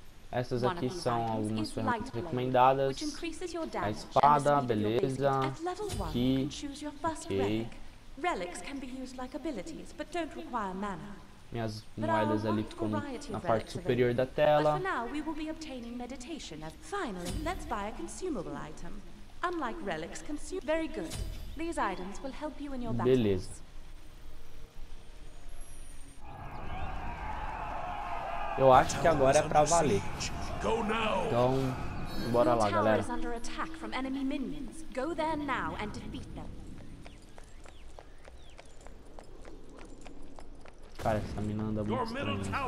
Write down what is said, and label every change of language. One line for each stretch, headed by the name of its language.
Portuguese: Essas aqui são algumas ferramentas recomendadas. A espada, beleza. Aqui, ok.
English: Relics can be used like abilities, but don't require mana.
Portuguese: Minhas moedas ali ficam na parte superior da tela.
English: But for now, we will be obtaining meditation. Finally, let's buy a consumable item. Unlike relics, consume. Very good. These items will help you in your battles.
Portuguese: Beleza. Eu acho que agora é pra valer. Então, bora lá, galera.
English: Under attack from enemy minions. Go there now and defeat them.
Portuguese: Cara, essa mina anda muito estranha.